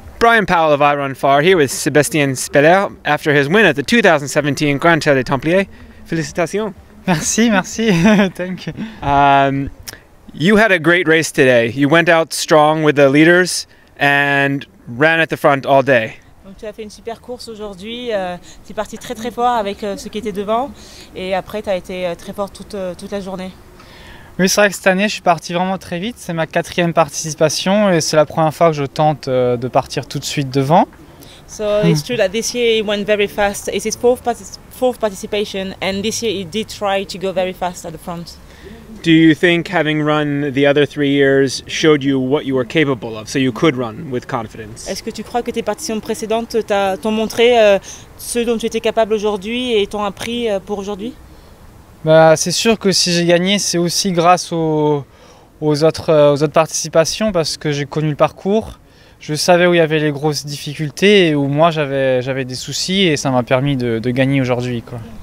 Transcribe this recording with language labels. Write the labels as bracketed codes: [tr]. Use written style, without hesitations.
[en] Brian Powell of I Run Far here with Sébastien Spehler after his win at the 2017 Grand Tour des Templiers. [fr] Félicitations. [en] Merci. Thank you. You had a great race today. You went out strong with the leaders and ran at the front all day. [fr] Donc tu as fait une super course aujourd'hui, tu es parti très très fort avec ce qui était devant et après tu as été très fort toute la journée. Oui, c'est vrai que cette année je suis parti vraiment très vite, c'est ma quatrième participation et c'est la première fois que je tente de partir tout de suite devant. [en] So it's true that this year it went very fast, it's his fourth participation and this year he did try to go very fast at the front. Do you think having run the other 3 years showed you what you were capable of, so you could run with confidence? [fr] Est-ce que tu crois que tes participations précédentes t'ont montré ce dont tu étais capable aujourd'hui et t'ont appris pour aujourd'hui? Bah, c'est sûr que si j'ai gagné, c'est aussi grâce aux autres participations parce que j'ai connu le parcours. Je savais où il y avait les grosses difficultés et où moi j'avais des soucis et ça m'a permis de gagner aujourd'hui, quoi.